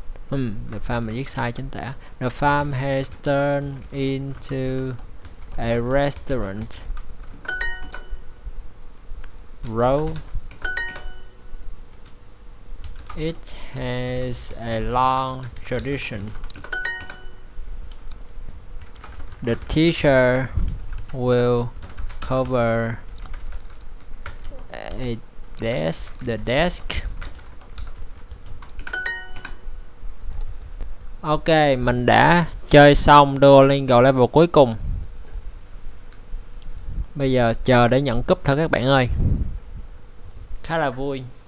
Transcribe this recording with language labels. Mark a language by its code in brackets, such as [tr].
[en] The farm [vi] viết sai chính tả. [en] The farm has turned into a restaurant. Row. It has a long tradition. The teacher will cover a desk. The desk. [vi] Ok, mình đã chơi xong Duolingo level cuối cùng. Bây giờ chờ để nhận cúp thôi các bạn ơi. Khá là vui.